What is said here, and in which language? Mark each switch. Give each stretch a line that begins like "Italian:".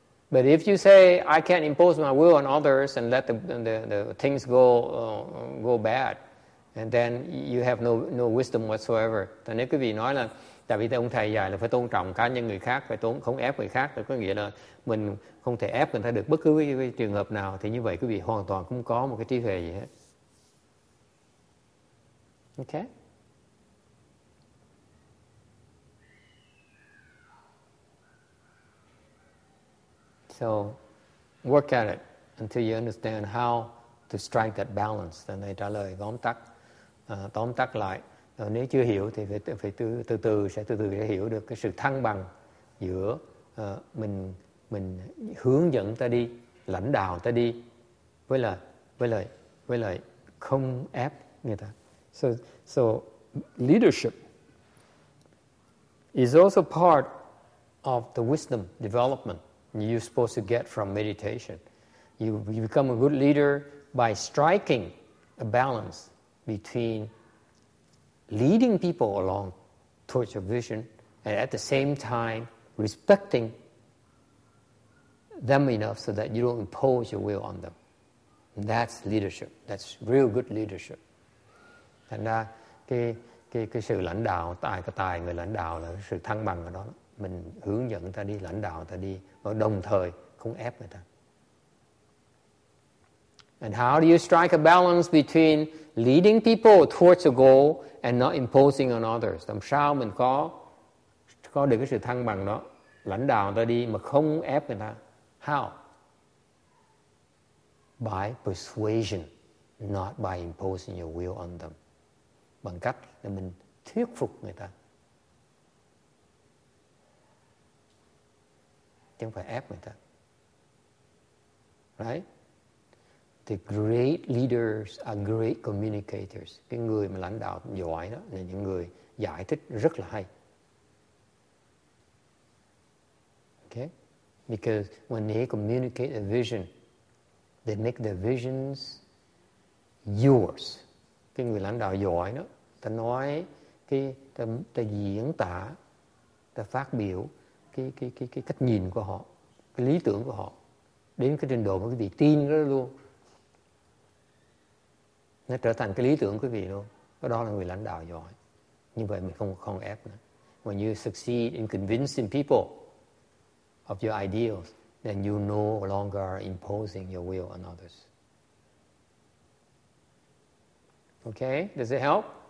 English: But if you say, I can't impose my will on others and let the things go bad, and then you have no wisdom whatsoever.
Vietnamese: Thì nếu quý vị nói là tại vì ông thầy dạy là phải tôn trọng cá nhân người khác, phải không ép người khác, thì có nghĩa là mình không thể ép người ta được bất cứ cái trường hợp nào, thì như vậy quý vị hoàn toàn không có một cái trí tuệ gì hết.
English: Ok. So, work at it until you understand how to strike that balance.
Vietnamese: Thì này trả lời tóm tắc lại. Rồi nếu chưa hiểu thì phải từ từ sẽ hiểu được cái sự thăng bằng giữa mình hướng dẫn ta đi, lãnh đạo ta đi, với lại không ép người ta.
English: So leadership is also part of the wisdom development you're supposed to get from meditation. You become a good leader by striking a balance between leading people along towards your vision and at the same time respecting them enough so that you don't impose your will on them. And that's leadership. That's real good leadership.
Vietnamese: Thành ra cái sự lãnh đạo, tài người lãnh đạo là sự thăng bằng ở đó. Mình hướng dẫn người ta đi, lãnh đạo người ta đi, và đồng thời không ép người ta.
English: And how do you strike a balance between leading people towards a goal and not imposing on others?
Vietnamese: Làm sao mình có được cái sự thăng bằng đó, lãnh đạo người ta đi mà không ép người ta?
English: How? By persuasion, not by imposing your will on them.
Vietnamese: Bằng cách là mình thuyết phục người ta, chứ không phải ép người ta.
English: Right? The great leaders are great communicators.
Vietnamese: Cái người mà lãnh đạo giỏi đó là những người giải thích rất là hay.
English: Okay? Because when they communicate a vision, they make the visions yours.
Vietnamese: Cái người lãnh đạo giỏi đó, ta nói cái ta diễn tả, ta phát biểu cái cách nhìn của họ, cái lý tưởng của họ đến cái trình độ mà quý vị tin đó luôn, nó trở thành cái lý tưởng của quý vị luôn. Cái đó là người lãnh đạo giỏi. Như vậy mình không ép nữa.
English: When you succeed in convincing people of your ideals, then you no longer are imposing your will on others. Okay, does it help?